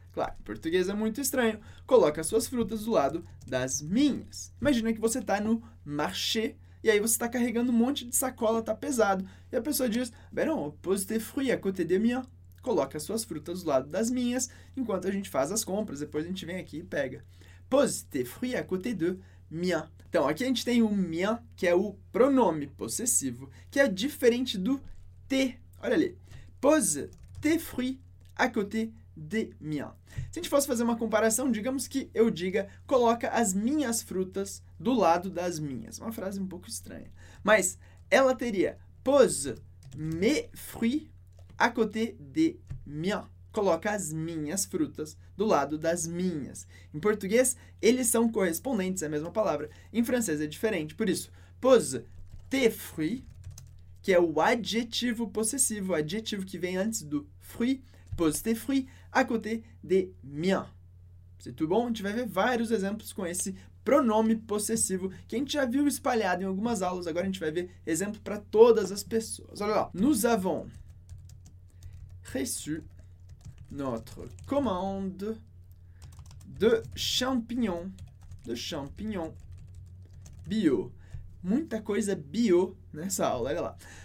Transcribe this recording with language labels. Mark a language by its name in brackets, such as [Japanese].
[Portuguese] Claro, em português é muito estranho, coloca as suas frutas do lado das minhas. Imagina que você está no marché, e aí você está carregando um monte de sacola, está pesado, e a pessoa diz, [French] ben non, pose tes fruits à côté de mien. [Portuguese] Coloca as suas frutas do lado das minhas, enquanto a gente faz as compras, depois a gente vem aqui e pega. [French] Pose tes fruits à côté de mien. [Portuguese] Então, aqui a gente tem o mien, que é o pronome possessivo, que é diferente do te. Olha ali. [French] Pose tes fruits à côté de mien. [Portuguese] Se a gente fosse fazer uma comparação, digamos que eu diga, coloca as minhas frutas do lado das minhas. Uma frase um pouco estranha. Mas ela teria, [French] pose mes fruits à côté de mien. [Portuguese] Coloca as minhas frutas do lado das minhas. Em português, eles são correspondentes, é a mesma palavra. Em francês é diferente, por isso, pose tes fruits, que é o adjetivo possessivo, o adjetivo que vem antes do fruit, [French] pose tes fruits à côté de mien. C'est tout bon? [Portuguese] A gente vai ver vários exemplos com esse pronome possessivo que a gente já viu espalhado em algumas aulas, agora a gente vai ver exemplo para todas as pessoas. Olha lá, [French] nous avons reçu notre commande de champignons bio. [Portuguese] Muita coisa bio nessa aula, olha lá.